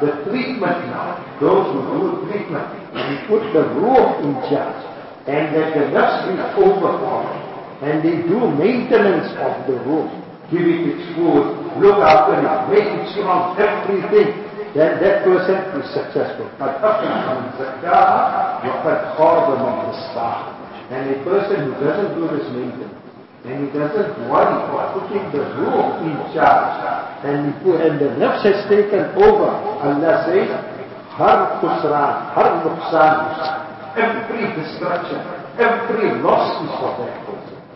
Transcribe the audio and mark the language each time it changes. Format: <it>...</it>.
<en>The treatment now, those who do the treatment, and put the roof in charge, and let the nafs be overpowered, and they do maintenance of the roof, give it its food, look after it, make it strong, everything, then that person is successful.</en> <ar>قد أفلح من زكاها وقد خاب من دساها.</ar> <en>And a person who doesn't do this maintenance, and he doesn't worry about putting the roof in charge, and the nafs has taken over, Allah says,</en> <ur>har khusran, har nuksan,</ur> <en>every destruction, every loss is for that person.</en>